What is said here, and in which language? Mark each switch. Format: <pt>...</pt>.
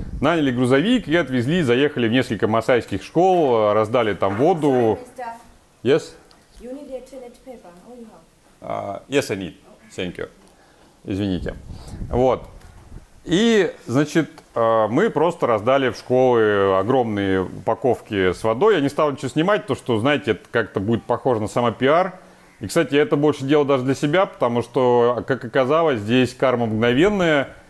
<ru>Наняли грузовик и отвезли, заехали в несколько масайских школ, раздали там воду.</ru> <en>Yes? You need your toilet paper, all you have. Yes, I need. Thank you.</en> <ru>Извините. Вот. И, значит, мы просто раздали в школы огромные упаковки с водой. Я не стал ничего снимать, потому что, знаете, это как-то будет похоже на самопиар. И, кстати, я это больше делал даже для себя, потому что, как оказалось, здесь карма мгновенная.</ru>